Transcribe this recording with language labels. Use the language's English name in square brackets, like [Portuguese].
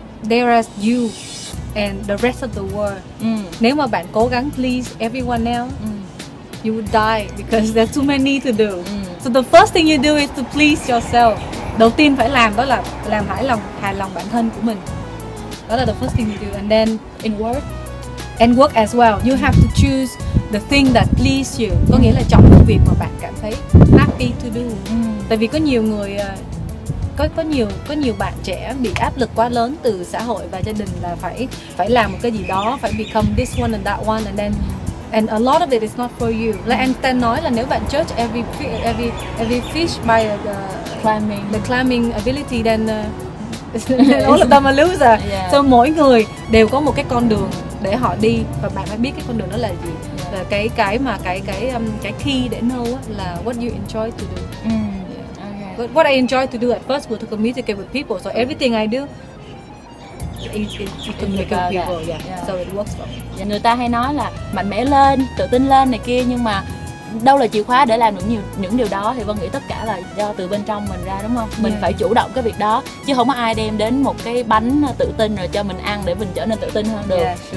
[English] There is you and the rest of the world. [Vietnamese] Nếu mà bạn cố gắng [English] please everyone else, you would die because there's too many to do. So the first thing you do is to please yourself. [Vietnamese] Đầu tiên phải làm đó là làm hài lòng bản thân của mình. Đó là [English] the first thing you do. And then in work, and work as well, you have to choose the thing that please you. [Vietnamese] Có nghĩa là chọn công việc mà bạn cảm thấy [English] happy to do. [Vietnamese] Tại vì có nhiều người có nhiều bạn trẻ bị áp lực quá lớn từ xã hội và gia đình là phải làm một cái gì đó, phải [English] become this one and that one, and a lot of it is not for you. [Vietnamese] Like Einstein nói là nếu bạn judge every fish by the climbing ability, then all of them are loser. [English] Yeah. [Vietnamese] So mỗi người đều có một cái con đường để họ đi, và bạn phải biết cái con đường đó là gì. [English] Yeah. [Vietnamese] Và cái [English] key [Vietnamese] để [English] know [Vietnamese] là [English] what you enjoy to do. Mm. Yeah. Okay. What I enjoy to do at first was to communicate with people. So everything I do is to communicate with people. Yeah. So it works for me. [Vietnamese] Yeah. Người ta hay nói là mạnh mẽ lên, tự tin lên này kia, nhưng mà đâu là chìa khóa để làm được những điều đó, thì Vân nghĩ tất cả là do từ bên trong mình ra, đúng không? Mình phải chủ động cái việc đó, chứ không có ai đem đến một cái bánh tự tin rồi cho mình ăn để mình trở nên tự tin hơn được.